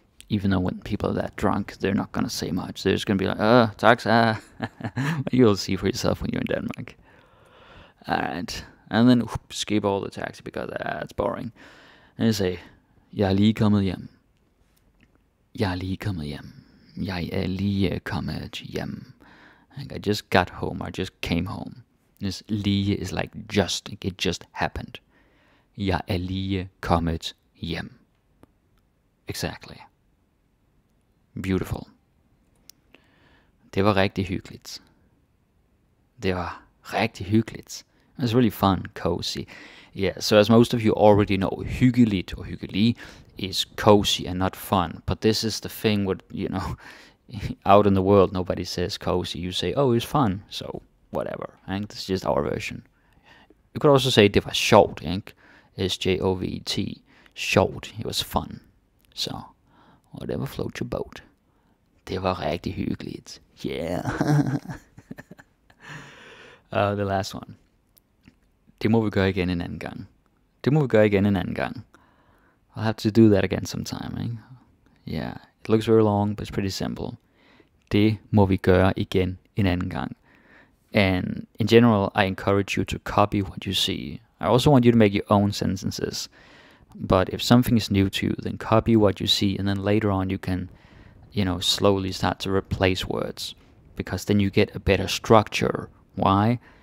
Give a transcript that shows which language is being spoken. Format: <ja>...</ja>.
<en>Even though when people are that drunk, they're not going to say much. They're just going to be like, oh, taxa. You'll see for yourself when you're in Denmark. All right. And then skip all the taxi because it's boring. And you say,</en> <da>jeg er lige kommet hjem. Jeg er lige kommet hjem. Jeg er lige kommet hjem.</da> <en>Like, I just got home. I just came home. This lige is like just. Like, it just happened.</en> <da>Jeg er lige kommet hjem.</da> <en>Exactly. Beautiful.</en> <da>Det var rigtig hyggeligt. Det var rigtig hyggeligt.</da> <en>It was really fun, cozy. Yeah, so as most of you already know, hyggeligt or hyggelig is cozy and not fun. But this is the thing with, you know, out in the world, nobody says cozy. You say, oh, it's fun. So, whatever. Right? This is just our version. You could also say,</en> <da>det var sjovt.</da> <en>S-J-O-V-T. Sjovt. It was fun. So, whatever floats your boat.</en> <da>Det var rigtig hyggeligt. Yeah.</da> <en>the last one.</en> <da>Det må vi gøre igen en anden gang. Det må vi gøre igen en anden gang.</da> <en>I'll have to do that again sometime. Eh? Yeah. It looks very long, but it's pretty simple.</en> <da>Det må vi gøre igen en anden gang.</da> <en>And in general, I encourage you to copy what you see. I also want you to make your own sentences. But if something is new to you, then copy what you see. And then later on, you can, you know, slowly start to replace words, because then you get a better structure. Why?</en>